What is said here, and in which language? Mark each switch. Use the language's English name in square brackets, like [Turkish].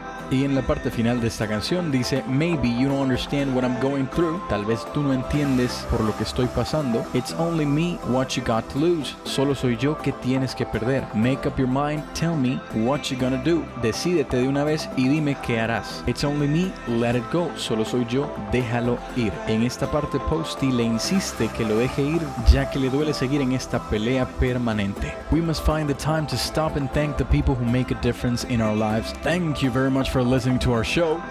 [Spanish] Y en la parte final de esta canción dice, [English] maybe you don't understand what I'm going through. [Spanish] Tal vez tú no entiendes por lo que estoy pasando. [English] It's only me, what you got to lose. [Spanish] Solo soy yo que tienes que perder. [English] Make up your mind, tell me what you're gonna do. [Spanish] Decídete de una vez y dime qué harás. [English] It's only me, let it go. [Spanish] Solo soy yo, déjalo ir. En esta parte Posty le insiste que lo deje ir, ya que le duele seguir en esta pelea permanente. [English] We must find the time to stop and thank the people who make a difference in our lives. Thank you very much for listening to our show.